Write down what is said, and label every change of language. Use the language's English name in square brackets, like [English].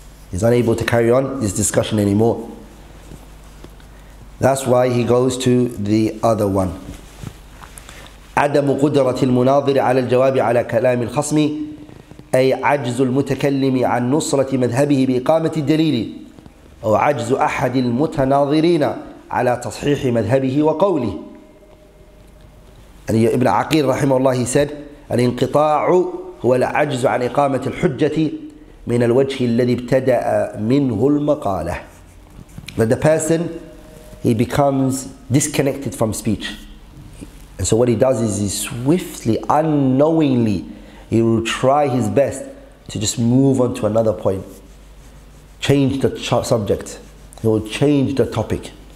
[English] He's unable to carry on this discussion anymore. That's why he goes to the other one. [Arabic] عَدَمُ قُدْرَةِ الْمُنَاظِرِ عَلَى الْجَوَابِ عَلَى كَلَامِ الْخَصْمِ أي عجز المتكلم عن نصرة مذهبه بإقامة الدليل أو عجز أحد المتناظرين على تصحيح مذهبه وقوله. يعني ابن عقيل رحمه الله [English] said [Arabic] الانقطاع هو العجز عن إقامة الحجة من الوجه الذي ابتدأ منه المقالة. [English] But the person, he becomes disconnected from speech. And so what he does is he swiftly, unknowingly, he will try his best to just move on to another point. Change the subject. He will change the topic.